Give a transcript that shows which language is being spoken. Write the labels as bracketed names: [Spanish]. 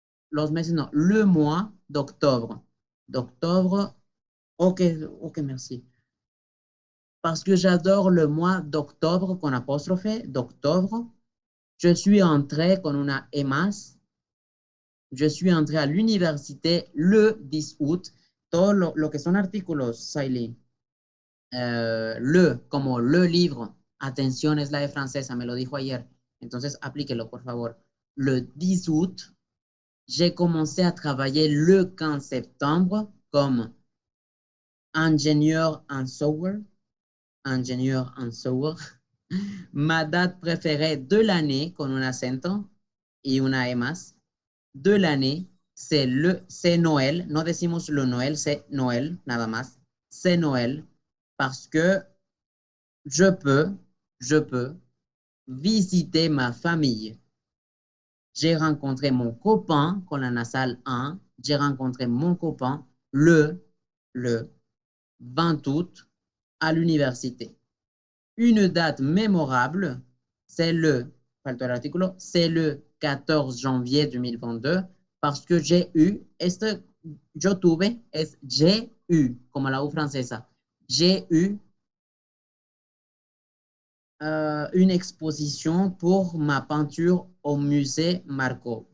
[Spanish] los meses, no, [French] le mois d'octobre, d'octobre, ok, ok, merci, parce que j'adore le mois d'octobre, [Spanish] con apóstrofe, [French] d'octobre, je suis entré [Spanish] con una E más, [French] je suis entré à l'université le 10 août, [Spanish] todo lo que son artículos, [French] Sailey. [Spanish] Le, como le libro, atención, es la E francesa, me lo dijo ayer. Entonces, aplíquelo, por favor. [French] Le 10 août, j'ai commencé à travailler le 15 septembre comme ingénieur en software. Ingénieur en software. Ma date préférée de l'année, [Spanish] con un acento y una E más, [French] de l'année. C'est Noël, [Spanish] no decimos [French] le Noël, c'est Noël, [Spanish] nada más. [French] C'est Noël, parce que je peux visiter ma famille. J'ai rencontré mon copain, [Spanish] con la nasal [French] 1, j'ai rencontré mon copain le 20 août à l'université. Une date mémorable, c'est le 14 janvier 2022. Parce que j'ai eu, [Spanish] este yo tuve, es [French] j'ai eu, [Spanish] como la U francesa. [French] J'ai eu une exposition pour ma peinture au musée Marco.